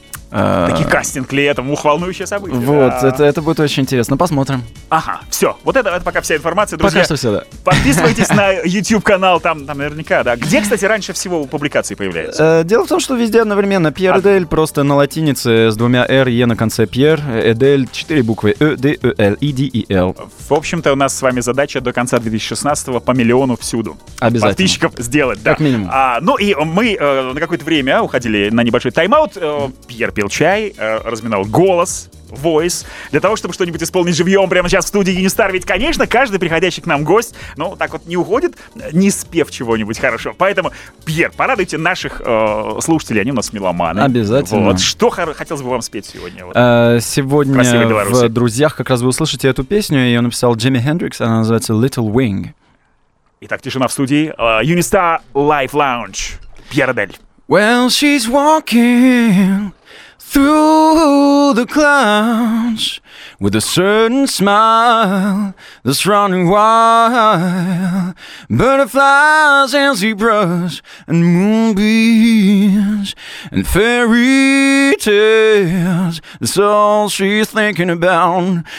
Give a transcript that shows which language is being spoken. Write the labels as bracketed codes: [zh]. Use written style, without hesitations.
[ru] Такие кастинг летом, ух, волнующие события. Вот, это будет очень интересно, посмотрим. Ага, все, вот это пока вся информация, друзья. Пока что все, да. Подписывайтесь на YouTube-канал, там наверняка, да. Где, кстати, раньше всего публикации появляются? Дело в том, что везде одновременно. Пьер Эдель, просто на латинице с двумя R, E на конце. Пьер Эдель, 4 буквы: E, D, E, L, E, D, E, L. В общем-то, у нас с вами задача до конца 2016-го по миллиону всюду. Обязательно. Подписчиков сделать, да. Как минимум. Ну и мы на какое-то время уходили на небольшой тайм-аут. Пьер пил чай, разминал голос, voice, для того, чтобы что-нибудь исполнить живьем прямо сейчас в студии Юнистар. Ведь, конечно, каждый приходящий к нам гость, ну, так вот не уходит, не спев чего-нибудь хорошо. Поэтому, Пьер, порадуйте наших слушателей, они у нас меломаны. Обязательно. Вот, что хотелось бы вам спеть сегодня? Вот. Сегодня в «Друзьях» как раз вы услышите эту песню, ее написал Джимми Хендрикс, она называется «Little Wing». Итак, тишина в студии. Юнистар Live Lounge. Пьер Эдель. [en] Well, she's walking through the clouds with a certain smile that's running wild, butterflies and zebras and moonbeams and fairy tales, that's all she's thinking about.